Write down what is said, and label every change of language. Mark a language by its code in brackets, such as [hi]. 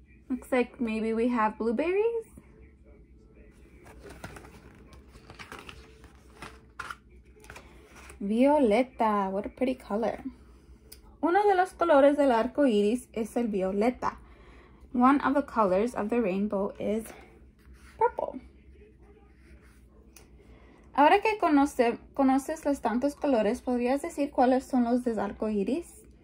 [en] Looks like maybe we have blueberries. Violeta. What a pretty color. [es] Uno de los colores del arco iris es el violeta. [en] One of the colors of the rainbow is purple. [es] Ahora que conoces los tantos colores, ¿podrías decir cuáles son los del arco iris?